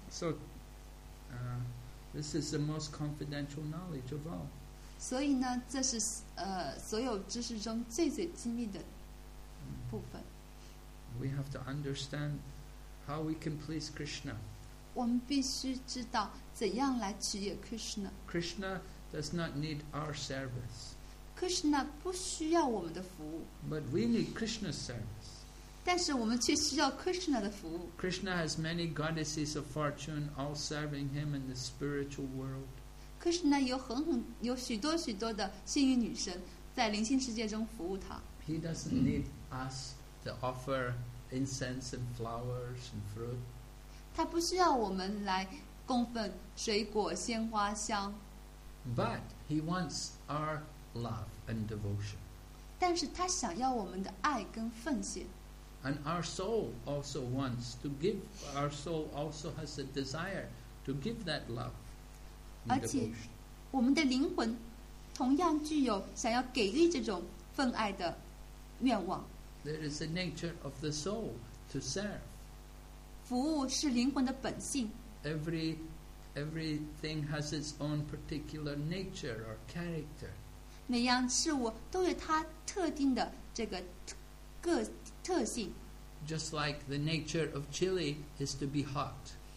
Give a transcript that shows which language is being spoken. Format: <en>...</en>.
<en>So, this is the most confidential knowledge of all.</en> <zh>所以呢，这是所有知识中最最机密的部分。</zh> <en>We have to understand how we can please Krishna.</en> <zh>我们必须知道怎样来取悦 Krishna.</zh> <en>Krishna does not need our service.</en> <zh>Krishna 不需要我们的服务。</zh> <en>But we need Krishna's service.</en> <zh>但是我们却需要 Krishna 的服务。</zh> <en>Krishna has many goddesses of fortune all serving him in the spiritual world.</en> <zh>Krishna 有许多许多的幸运女神在灵性世界中服务他。</zh> <en>He doesn't need us to offer incense and flowers and fruit.</en> <zh>他不需要我们来供奉水果、鲜花、香。</zh> <en>But he wants our love and devotion.</en> <zh>但是他想要我们的爱跟奉献。</zh> <en>And our soul also wants to give. Our soul also has a desire to give that love.</en> <zh>而且，我们的灵魂同样具有想要给予这种奉爱的愿望。</zh> <en>There is the nature of the soul to serve.</en> <zh>服务是灵魂的本性。</zh> <en>Everything has its own particular nature or character.</en> <zh>每样事物都有它特定的这个特性。</zh> <en>Just like the nature of chili is to be hot.</en>